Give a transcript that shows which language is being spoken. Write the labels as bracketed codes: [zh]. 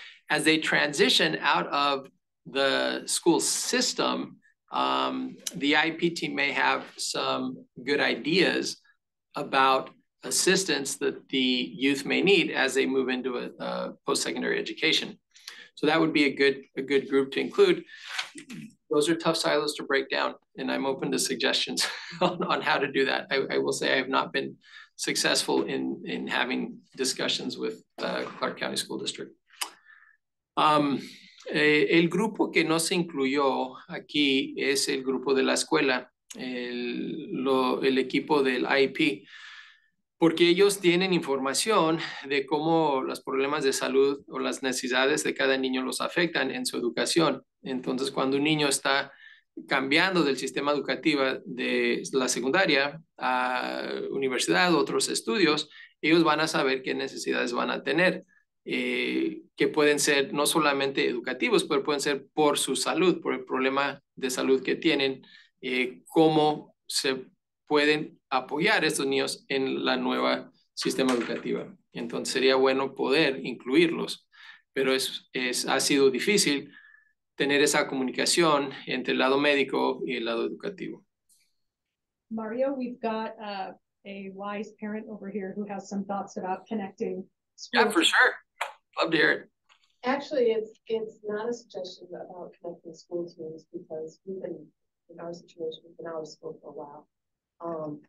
[en] As they transition out of the school system, the IEP team may have some good ideas about assistance that the youth may need as they move into a post-secondary education. So that would be a good group to include. Those are tough silos to break down, and I'm open to suggestions on how to do that. I will say I have not been successful in having discussions with the Clark County School District. [es] El grupo que no se incluyó aquí es el grupo de la escuela, el equipo del IEP, porque ellos tienen información de cómo los problemas de salud o las necesidades de cada niño los afectan en su educación. Entonces, cuando un niño está cambiando del sistema educativo de la secundaria a universidad, otros estudios, ellos van a saber qué necesidades van a tener. Que pueden ser no solamente educativos, pero pueden ser por su salud, por el problema de salud que tienen, cómo se pueden apoyar estos niños en la nueva sistema educativa. Entonces sería bueno poder incluirlos, pero ha sido difícil tener esa comunicación entre el lado médico y el lado educativo. [en] Mario, we've got a wise parent over here who has some thoughts about connecting schools. Yeah, for sure. Love to hear it. Actually, it's not a suggestion about connecting school teams, because we've been in our situation, we've been out of school for a while.